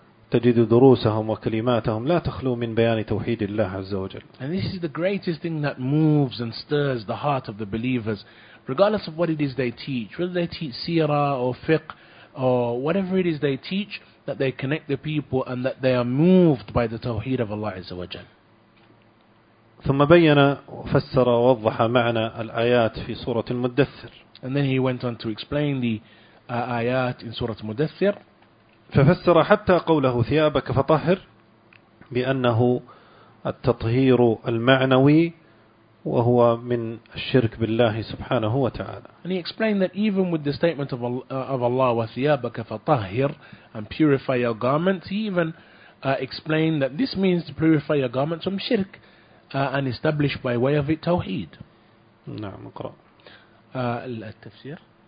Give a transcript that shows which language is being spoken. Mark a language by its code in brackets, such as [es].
[ar] تجد دروسهم وكلماتهم لا تخلو من بيان توحيد الله عز وجل. [en] And this is the greatest thing that moves and stirs the heart of the believers, regardless of what it is they teach, whether they teach seerah or fiqh or whatever it is they teach, that they connect the people and that they are moved by the tawheed of Allah عز وجل. [ar] ثم بين وفسر ووضح معنى الآيات في سورة المدثر. [en] And then he went on to explain the آيات in Surah Al-Mudathir. [ar] ففسر حتى قوله ثيابك فطهر بأنه التطهير المعنوي وهو من الشرك بالله سبحانه وتعالى. [en] And he explained that even with the statement of Allah [ar] وثيابك فطهر [en] and purify your garments, he even explained that this means to purify your garments from shirk and establish by way of it tawheed. [ar] نعم اقرأ. التفسير.